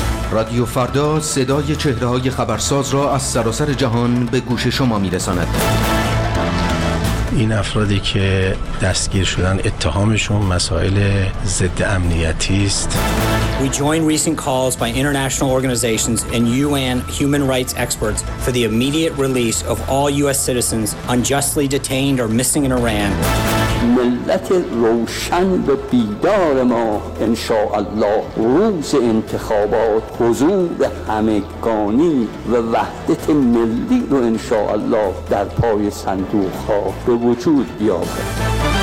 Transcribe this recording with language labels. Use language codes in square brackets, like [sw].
[fa] رادیو فردا صدای چهره‌های خبرساز را از سراسر جهان به گوش شما می‌رساند. این افرادی که دستگیر شدن اتهامشون مسائل ضد امنیتی است. [en] We join recent calls by international organizations and UN human rights experts for the immediate release of all US citizens unjustly detained or missing in Iran. [fa] ملت روشن و بیدار ما ان شاء الله روز انتخابات حضور همگانی و وحدت ملی رو ان شاء الله در پای صندوق ها به وجود بیاورد.